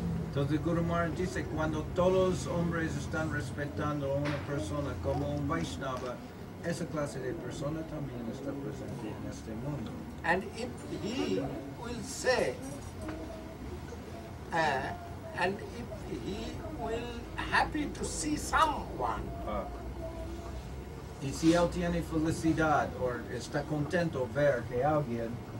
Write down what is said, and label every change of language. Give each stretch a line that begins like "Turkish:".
Spanish: Entonces Guru Maharaj dice, cuando todos hombres están respetando a una persona como un Vaishnava, esa clase de persona también está presente en este mundo.
English: And if he will say, and if he will happy to see someone.
Spanish: Y si él tiene felicidad, or está contento ver que alguien.